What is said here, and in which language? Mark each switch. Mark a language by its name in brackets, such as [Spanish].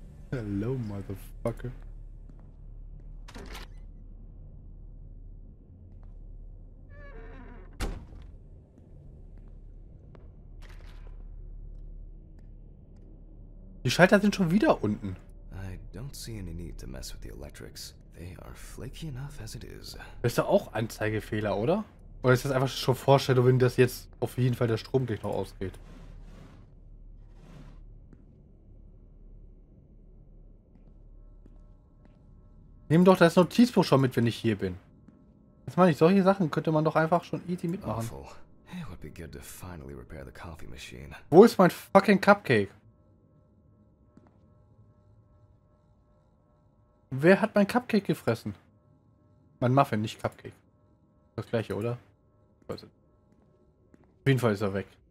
[English] Hello, motherfucker. [German] Die Schalter sind schon wieder unten. [English] I don't see any need to mess with the electrics. They are flaky enough as it is. [German] Das ist ja auch Anzeigefehler, oder? Oder ist das einfach schon Vorstellung, wenn das jetzt auf jeden Fall der Strom gleich noch ausgeht? Nimm doch das Notizbuch schon mit, wenn ich hier bin. Das meine ich, solche Sachen könnte man doch einfach schon easy mitmachen. [English] Awful. It would be good to finally repair the coffee machine. [German] Wo ist mein fucking Cupcake? Wer hat mein Cupcake gefressen? Mein Muffin, nicht Cupcake. Das gleiche, oder? Also, auf jeden Fall ist er weg.